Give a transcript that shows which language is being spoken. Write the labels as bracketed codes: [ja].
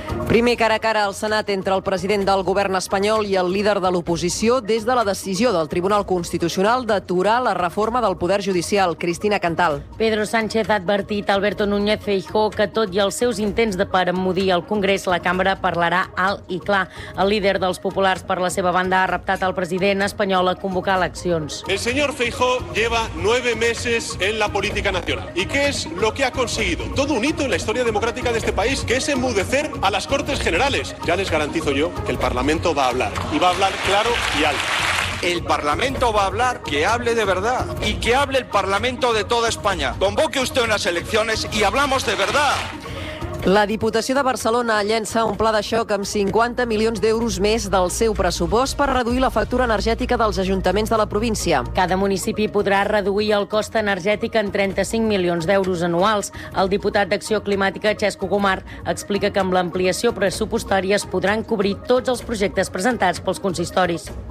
[ca] Primer cara a cara al Senat entre el president del govern espanyol i el líder de l'oposició des de la decisió del Tribunal Constitucional d'aturar la reforma del Poder Judicial. Cristina Cantal. Pedro Sánchez ha advertit a Alberto Núñez Feijóo que tot i els seus intents de permudir el Congrés, la cambra parlarà alt i clar. El líder dels populars, per la seva banda, ha reptat el president espanyol a convocar eleccions. [es] El senyor Feijóo lleva 9 meses en la política nacional. ¿Y qué es lo que ha conseguido? Todo un hito en la historia democrática de este país, que es enmudecer a las Cortes Generales. Ya les garantizo yo que el Parlamento va a hablar, y va a hablar claro y alto. El Parlamento va a hablar, que hable de verdad, y que hable el Parlamento de toda España. Convoque usted unas elecciones y hablamos de verdad. [ca] La Diputació de Barcelona llença un pla de xoc amb 50 milions d'euros més del seu pressupost per reduir la factura energètica dels ajuntaments de la província. Cada municipi podrà reduir el cost energètic en 35 milions d'euros anuals. El diputat d'Acció Climàtica, Xesco Gomar, explica que amb l'ampliació pressupostària es podran cobrir tots els projectes presentats pels consistoris.